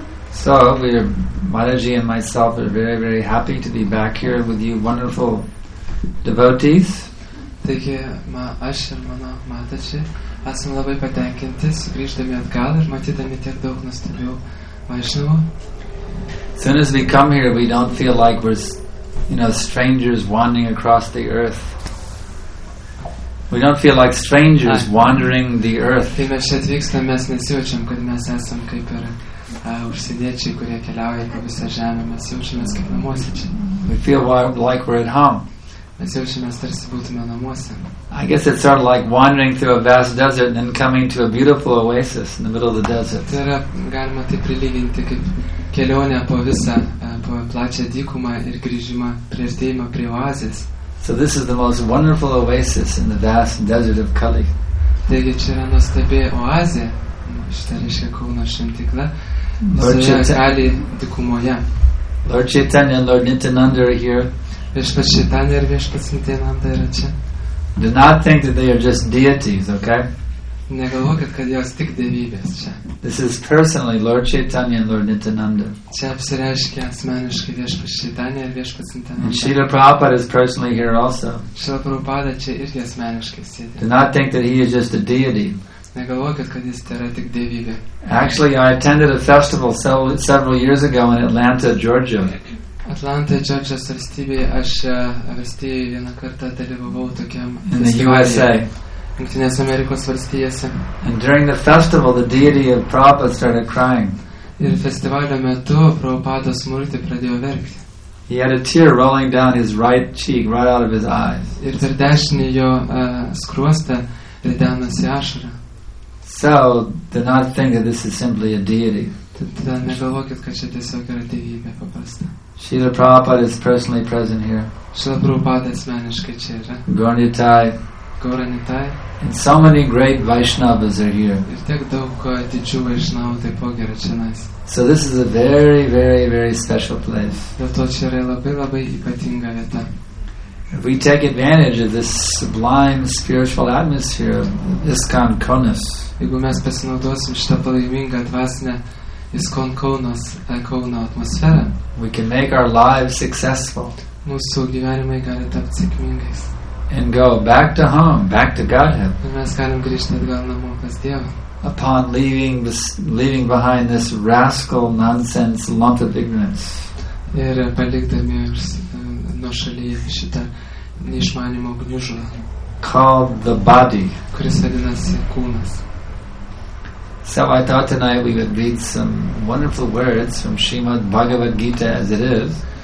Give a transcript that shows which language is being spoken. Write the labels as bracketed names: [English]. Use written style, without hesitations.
[English] So we're Mataji and myself are very very happy to be back here with you wonderful devotees. [Lithuanian] Taigi, aš ir mano Mataji esam labai patenkinti sugrįždami atgal ir matydami tiek daug nuostabių vaišnavų. [English] As soon as we come here, we don't feel like we're strangers wandering across the earth. We don't feel like strangers wandering the earth. [Lithuanian] Kai mes čia atvykstam, mes nesijaučiam, kad mes esam kaip ir užsieniečiai, kurie keliauja po visą žemę. Mes jaučiamės kaip namuose čia. [English] We feel like we're at home. [Lithuanian] Mes jaučiamės tarsi būtume namuose. [English] I guess it's sort of like wandering through a vast desert and then coming to a beautiful oasis in the middle of the desert. [Lithuanian] Tai yra, galima tai prilyginti kaip kelionė po visą plačią dykumą ir grįžimą, priartėjimą prie oazės. [English] So this is the most wonderful oasis in the vast desert of Kali. [Lithuanian] Taigi čia yra nuostabi oazė, šita reiškia Kauno šventykla, Kali dykumoje. [English] Lord Chaitanya and Lord Nityananda are here. [Lithuanian] Viešpats Chaitanya ir Viešpats Nityananda yra čia. [English] Do not think that they are just deities, okay? [Lithuanian] Negalvokit, kad jos tik dievybės čia. [English] This is personally Lord Chaitanya and Lord Nityananda. [Lithuanian] Čia apsireiškia asmeniškai Viešpats Chaitanya ir Viešpats Nityananda. [English] And Srila Prabhupada is personally here also. [Lithuanian] Srila Prabhupada čia irgi asmeniškai sėdi. [English] Do not think that he is just a deity. [Lithuanian] Negalvokit, kad jis yra tik dievybė. [English] Actually, I attended a festival several years ago in Atlanta, Georgia. [Lithuanian] Atlantoje, Džordžijos valstybėje, aš valstijoje vieną kartą dalyvavau tokiam [English] in the USA. [Lithuanian] Jungtinės Amerikos valstijose. [English] And during the festival, the deity of Prabhupada started crying. [Lithuanian] Ir festivalio metu Prabhupada smulti pradėjo verkti. [English] He had a tear rolling down his right cheek, right out of his eyes. [Lithuanian] Ir per dešinį jo skruostą ridenosi ašarą. [English] So, do not think that this is simply a deity. [Lithuanian] Tada negalvokit, kad čia tiesiog yra dievybė paprasta. [English] Srila Prabhupada is personally present here. [Lithuanian] Srila Prabhupada asmeniškai čia yra. Gornitai. Gornitai. [English] And so many great Vaishnavas are here. [Lithuanian] Ir tiek daug didžių Vaishnavų taipogi yra čionais. [English] So this is a very, very, very special place. [Lithuanian] Dėl to čia yra labai, labai ypatinga vieta. [English] If we take advantage of this sublime spiritual atmosphere of ISKCON Konas. [Lithuanian] Jeigu mes pasinaudosim šitą palaimingą dvasinę ISKCON Konas, Kauno atmosferą, [English] we can make our lives successful. [Lithuanian] Mūsų gyvenimai gali tapti sėkmingais. [English] And go back to home, back to Godhead. [Lithuanian] Ir mes galim grįžti atgal namo pas Dievą. [English] Upon leaving behind this rascal nonsense lump of ignorance. [Lithuanian] Ir palikdami nuo šalyje šitą neišmanimo gniužulą. [English] Called the body. [Lithuanian] Kuris vadinasi kūnas. [English] So I thought tonight we would read some wonderful words from Srimad Bhagavad Gita as it is.